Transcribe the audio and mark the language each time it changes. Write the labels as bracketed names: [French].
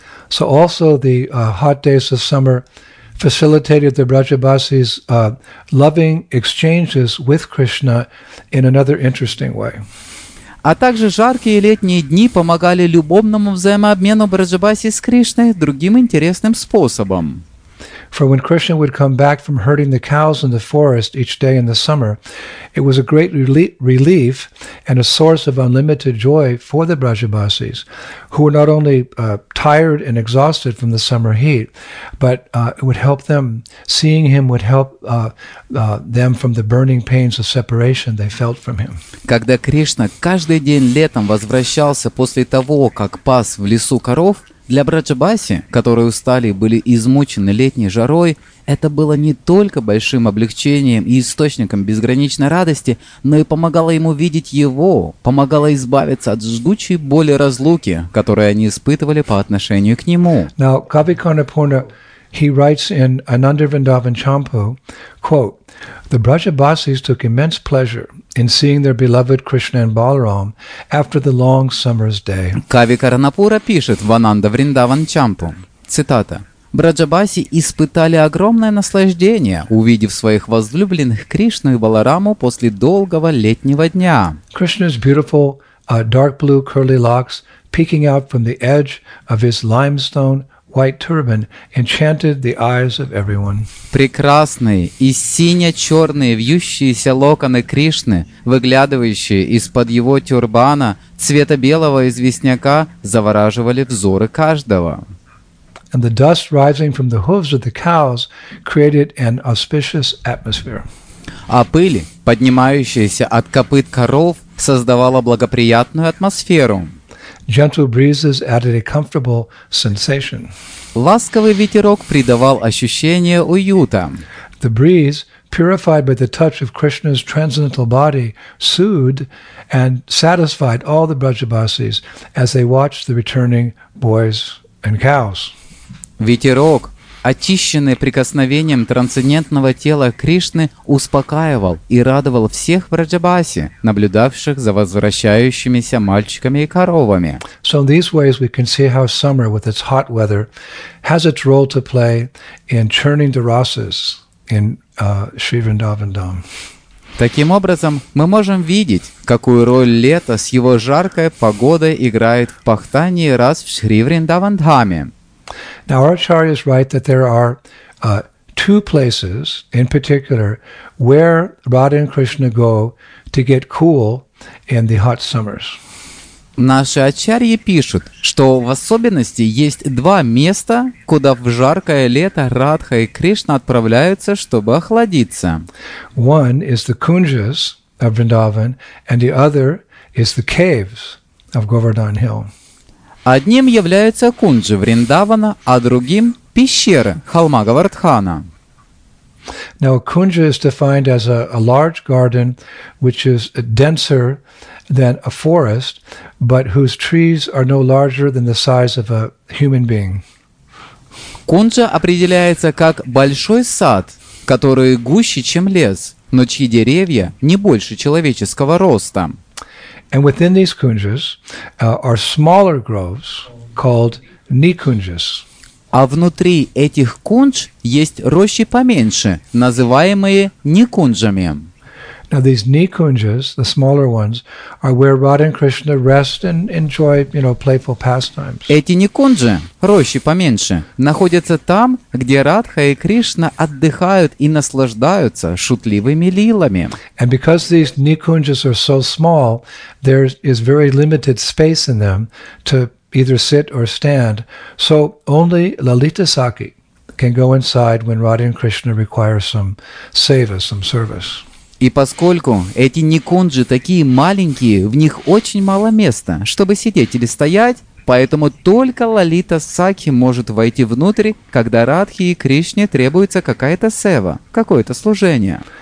[English] So also the hot days of summer facilitated the Vrajavasis loving exchanges with Krishna in another interesting way. [Russian] А также жаркие летние дни помогали любовному взаимообмену Враджабаси с Кришной другим интересным способом. [English] For when Krishna would come back from herding the cows in the forest each day in the summer, it was a great relief and a source of unlimited joy for the Vrajavasis, who were not only tired and exhausted from the summer heat, but it would help them, seeing him would help them from the burning pains of separation they felt from him. [Russian] Когда Кришна каждый день летом возвращался после того, как пас в лесу коров, Для Браджа Баси, которые устали и были измучены летней жарой, это было не только большим облегчением и источником безграничной радости, но и помогало ему видеть его, помогало избавиться от жгучей боли разлуки, которую они испытывали по отношению к нему. [English] Now, Kavi Karnapurna, he writes in Ananda Vrindavan Champu, quote, "The Brajabasis took immense pleasure in seeing their beloved Krishna and Balaram after the long summer's day." [Russian] Кави Карнапура пишет в Ананда Вриндаван Чампу, цитата, «Браджабаси испытали огромное наслаждение, увидев своих возлюбленных Кришну и Балараму после долгого летнего дня». [English] Krishna's beautiful dark blue curly locks peeking out from the edge of his limestone white turban enchanted the eyes of everyone. [Russian] Прекрасные и сине-черные вьющиеся локоны Кришны, выглядывающие из-под его тюрбана цвета белого известняка, завораживали взоры каждого. [English] And the dust rising from the hooves of the cows created an auspicious atmosphere. [Russian] А пыль, поднимающаяся от копыт коров, создавала благоприятную атмосферу. [English] Gentle breezes added a comfortable sensation. [Russian] Ласковый ветерок придавал ощущение уюта. [English] The breeze, purified by the touch of Krishna's transcendental body, soothed and satisfied all the Brajabasis as they watched the returning boys and cows. [Russian] Ветерок, очищенный прикосновением трансцендентного тела Кришны, успокаивал и радовал всех Браджабаси, наблюдавших за возвращающимися мальчиками и коровами. [English] So in these ways we can see how summer with its hot weather has its role to play in churning the rasas in Sri Vrindavan Dham. [Russian] Таким образом, мы можем видеть, какую роль лето с его жаркой погодой играет в пахтании рас в Шри Вриндаван Дхаме. [English] Now, our acharyas write that there are two places in particular where Radha and Krishna go to get cool in the hot summers. [Russian] Наши ачарьи пишут, что в особенности есть два места, куда в жаркое лето Радха и Кришна отправляются, чтобы охладиться. [English] One is the kunjas of Vrindavan, and the other is the caves of Govardhan Hill. [Russian] Одним являются кунджи Вриндавана, а другим – пещеры холма Говардхана. [English] Now, a kunja is defined as a large garden, which is denser than a forest, but whose trees are no larger than the size of a human being. [Russian] Кунджа определяется как большой сад, который гуще, чем лес, но чьи деревья не больше человеческого роста. [English] And within these kunjas are smaller groves called nikunjas. [Russian] А внутри этих кунж есть рощи поменьше, называемые никунджами. [English] Now these nikunjas, the smaller ones, are where Radha and Krishna rest and enjoy, you know, playful pastimes. [Russian] Эти никунджи, рощи поменьше, находятся там, где Радха и Кришна отдыхают и наслаждаются шутливыми лилами. [English] And because these nikunjas are so small, there is very limited space in them to either sit or stand. So only Lalita Sakhi can go inside when Radha and Krishna require some seva, some service. [Russian] И поскольку эти никунджи такие маленькие, в них очень мало места, чтобы сидеть или стоять, поэтому только Лалита Сакхи может войти внутрь, когда Радхе и Кришне требуется какая-то сева, какое-то служение.